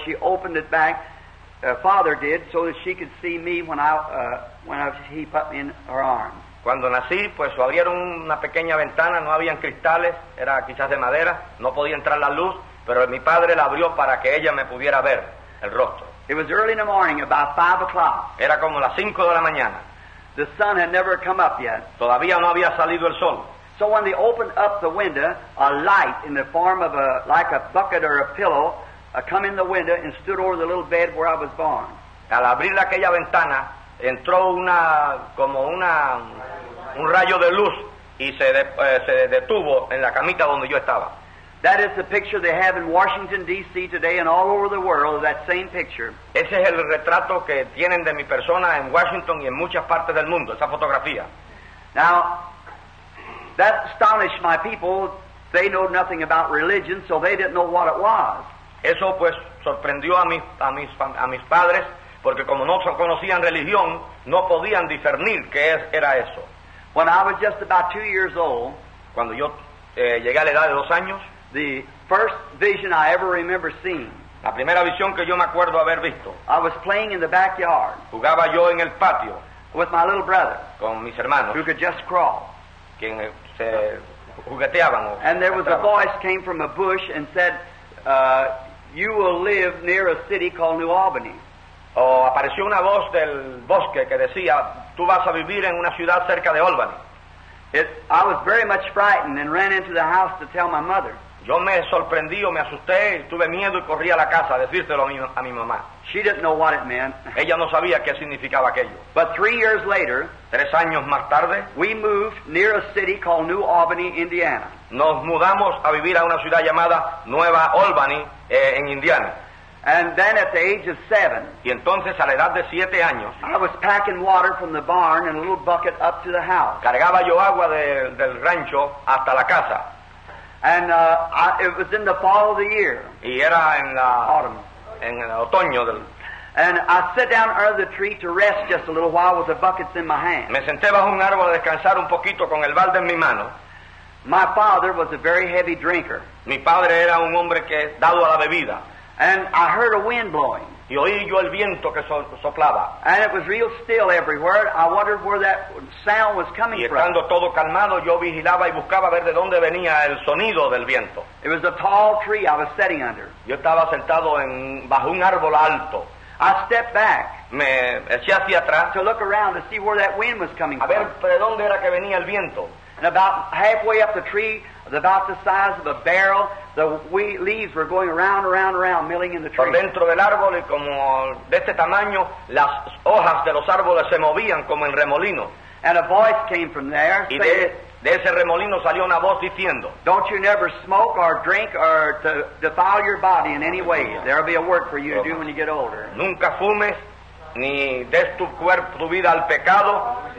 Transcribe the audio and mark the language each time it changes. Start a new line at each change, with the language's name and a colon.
English: She opened it back, father did, so that she could see me when he put me in her arms.
Spanish: Cuando nací, pues abrieron una pequeña ventana, no habían cristales, era quizás de madera, no podía entrar la luz, pero mi padre la abrió para que ella me pudiera ver el rostro.
English: It was early in the morning, about 5 o'clock.
Spanish: Era como las 5 de la mañana.
English: The sun had never come up yet.
Spanish: Todavía no había salido el sol.
English: So when they opened up the window, a light in the form of a, like a bucket or a pillow, come in the window and stood over the little bed where I was born.
Spanish: Al abrir aquella ventana, entró una, como una, un rayo de luz y se detuvo en la camita donde yo estaba.
English: That is the picture they have in Washington, D.C. today and all over the world, that same picture.
Spanish: Ese es el retrato que tienen de mi persona en Washington y en muchas partes del mundo, esa fotografía.
English: Now, that astonished my people. They know nothing about religion, so they didn't know what it was.
Spanish: Eso pues sorprendió a mis padres, porque como no conocían religión, no podían discernir qué era eso.
English: When I was just about 2 years old,
Spanish: cuando yo llegué a la edad de 2 años,
English: the first vision I ever remember seeing,
Spanish: la primera visión que yo me acuerdo haber visto,
English: I was playing in the backyard,
Spanish: jugaba yo en el patio,
English: with my little brother,
Spanish: con mis hermanos,
English: who could just crawl. And there was a voice came from a bush and said, "You will live near a city called New Albany."
Spanish: Oh, apareció una voz del bosque que decía, "Tú vas a vivir en una ciudad cerca de Albany."
English: I was very much frightened and ran into the house to tell my mother.
Spanish: Yo me sorprendí o me asusté, tuve miedo y corrí a la casa a decírselo a mi mamá.
English: She didn't know what it meant.
Spanish: Ella no sabía qué significaba aquello.
English: But 3 years later,
Spanish: 3 años más tarde,
English: we moved near a city called New Albany, Indiana.
Spanish: Nos mudamos a vivir a una ciudad llamada Nueva Albany, en Indiana.
English: And then at the age of 7,
Spanish: y entonces a la edad de 7 años,
English: I was packing water from the barn in a little bucket up to the house.
Spanish: Cargaba yo agua del rancho hasta la casa.
English: And it was in the fall of the year.
Spanish: Y era en la
English: autumn.
Spanish: En el otoño del.
English: And I sat down under the tree to rest just a little while with the buckets in my hand.
Spanish: Me senté bajo un árbol a descansar un poquito con el balde en mi mano.
English: My father was a very heavy drinker.
Spanish: Mi padre era un hombre que dado a la bebida.
English: And I heard a wind blowing.
Spanish: Y oí yo el viento que soplaba.
English: And it was real still everywhere. I wondered where that sound was coming from.
Spanish: Y estando todo calmado, yo vigilaba y buscaba ver de dónde venía el sonido del viento.
English: It was a tall tree I was sitting under.
Spanish: Yo estaba sentado bajo un árbol alto.
English: I stepped back.
Spanish: Me eché hacia atrás.
English: To look around to see where that wind was coming from.
Spanish: A ver de dónde era que venía el viento.
English: And about halfway up the tree, about the size of a barrel, the leaves were going around, around, around, milling in the tree.
Spanish: Por dentro del árbol y como de este tamaño, las hojas de los árboles se movían como en remolino.
English: And a voice came from there.
Spanish: Y de ese remolino salió una voz diciendo,
English: "Don't you never smoke or drink or to defile your body in any way. There'll be a work for you to do when you get older."
Spanish: Nunca fumes ni des tu cuerpo, tu vida al pecado.